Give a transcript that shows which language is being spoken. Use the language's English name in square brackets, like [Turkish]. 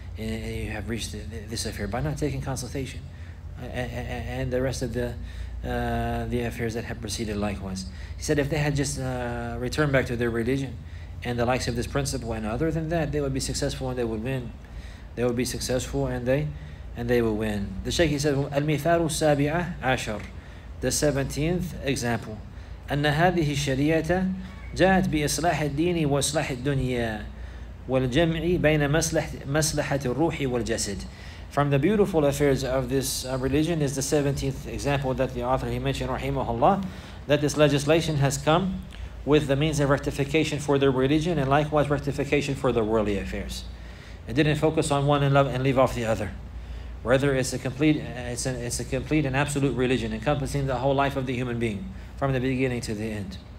[English] And you have reached this affair by not taking consultation and the rest of the affairs that have proceeded likewise. He said if they had just returned back to their religion and the likes of this principle, and other than that, they would be successful and they would win. They would be successful and they will win. The Shaykh, he said, [Arabic] المثال السابع عشر, [English] the 17th example. [Arabic] أن هذه الشريعة جاءت بإصلاح الدين وإصلاح الدنيا والجمع بين مصلحة الروح والجسد. [English] From the beautiful affairs of this religion is the 17th example that the author, he mentioned, rahimahullah, that this legislation has come with the means of rectification for their religion and likewise rectification for their worldly affairs. It didn't focus on one and love and leave off the other. Rather, it's a complete and absolute religion encompassing the whole life of the human being from the beginning to the end.